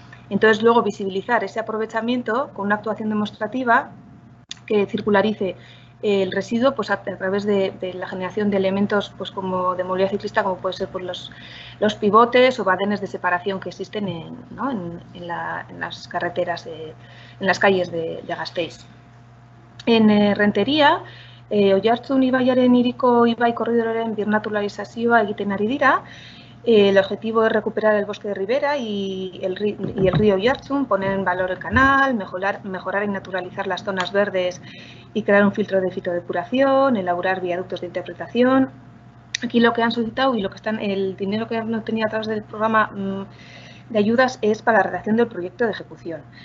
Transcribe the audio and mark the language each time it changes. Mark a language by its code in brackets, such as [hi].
[es] Entonces, luego visibilizar ese aprovechamiento con una actuación demostrativa que circularice el residuo pues a través de la generación de elementos pues como de movilidad ciclista, como puede ser pues los pivotes o badenes de separación que existen en, ¿no? En las carreteras, en las calles de Gasteiz. [eu] En Rentería, Oiartzun ibaiaren hiriko ibai korridoraren birnaturalizazioa egiten ari dira. [es] El objetivo es recuperar el bosque de ribera y el río Oiartzun, poner en valor el canal, mejorar y naturalizar las zonas verdes y crear un filtro de fitodepuración, elaborar viaductos de interpretación. Aquí lo que han solicitado y lo que están, el dinero que han obtenido a través del programa de ayudas es para la redacción del proyecto de ejecución.